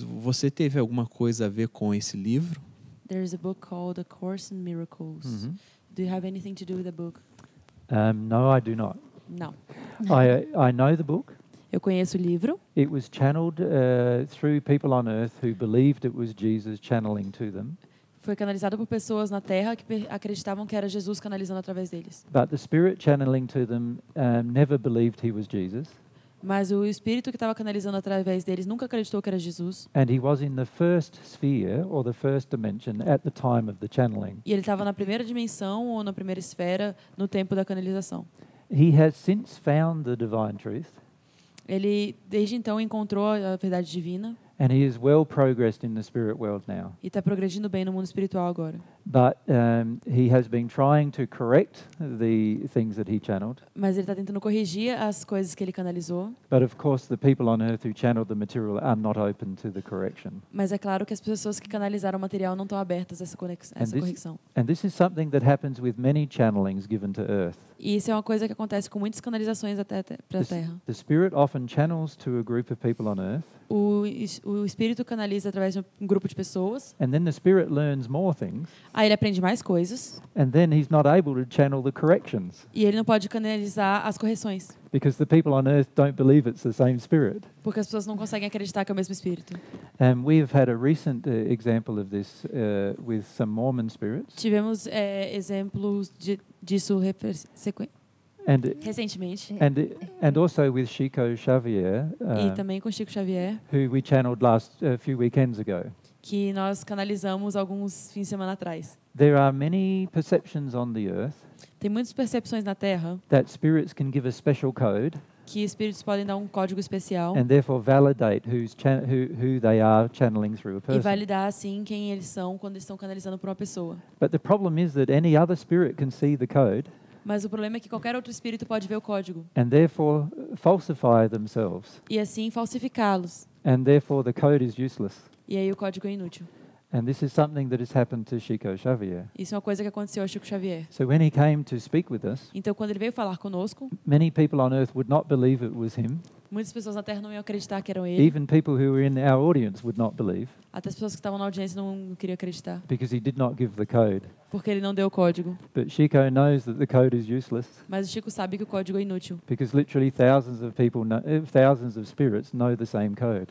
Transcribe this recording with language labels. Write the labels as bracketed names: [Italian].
[Portuguese] Você teve alguma coisa a ver com esse livro? [English] There is a book called A Course in Miracles. Mm-hmm. Do you have anything to do with the book? No, I do not. No. I know the book. [Portuguese] Eu conheço o livro. [English] It was channeled through people on earth who believed it was Jesus channeling to them. [Portuguese] Foi canalizado por pessoas na Terra que acreditavam que era Jesus canalizando através deles. [English] But the spirit channeling to them never believed he was Jesus. [Portuguese] Mas o espírito que estava canalizando através deles nunca acreditou que era Jesus. [English] And he was in the first sphere or the first dimension at the time of the channeling. [Portuguese] E ele estava na primeira dimensão ou na primeira esfera no tempo da canalização. [English] He has since found the divine truth. [Portuguese] Ele desde então encontrou a verdade divina. [English] And he is well progressed in the spirit world now. [Portuguese] E está progredindo bem no mundo espiritual agora. [English] But he has been trying to correct the things that he channeled. [Portuguese] Mas ele está tentando corrigir as coisas que ele canalizou. [English] But of course, the people on earth who channeled the material are not open to the correction. [Portuguese] Mas é claro que as pessoas que canalizaram o material não estão abertas a essa correção. [English] And this is something that happens with many channelings given to earth. [Portuguese] E isso é uma coisa que acontece com muitas canalizações até para a Terra. [English] The spirit often channels to a group of people on earth. [Portuguese] O espírito canaliza através de um grupo de pessoas. [English] And then the spirit learns more things. [Portuguese] Aí ele aprende mais coisas. [English] And then he's not able to channel the corrections. [Portuguese] E ele não pode canalizar as correções. [English] Because the people on earth don't believe it's the same spirit. [Portuguese] Porque as pessoas não conseguem acreditar que é o mesmo espírito. [English] And we've had a recent example of this with some Mormon spirits. [Portuguese] Tivemos exemplos disso recentemente. [English] And also with Chico Xavier. [Portuguese] E também com Chico Xavier. [English] Who we channeled last a few weekends ago. [Portuguese] Que nós canalizamos alguns fins de semana atrás. [English] There are many perceptions on the earth. [Portuguese] Tem muitas percepções na Terra. [English] That spirits can give a special code. [Portuguese] Que espíritos podem dar um código especial. [English] And therefore validate who they are channeling through a person. [Portuguese] E validar assim quem eles são quando estão canalizando para uma pessoa. [English] But the problem is that any other spirit can see the code. [Portuguese] Mas o problema é que qualquer outro espírito pode ver o código. [English] And therefore falsify themselves. [Portuguese] E assim falsificá-los. [English] And therefore the code is useless. [Portuguese] E aí o código é inútil. [English] And this is something that has happened to Chico Xavier. [Portuguese] Isso é uma coisa que aconteceu ao Chico Xavier. [English] So when he came to speak with us, [Portuguese] então quando ele veio falar conosco, [English] many people on earth would not believe it was him. [Portuguese] Muitas pessoas na Terra não iam acreditar que era ele. [English] Even people who were in our audience would not believe. [Portuguese] Até as pessoas que estavam na audiência não queriam acreditar. [English] Because he did not give the code. [Portuguese] Porque ele não deu o código. [English] But Chico knows that the code is useless. [Portuguese] Mas o Chico sabe que o código é inútil. [English] Because literally thousands of people, thousands of spirits know the same code.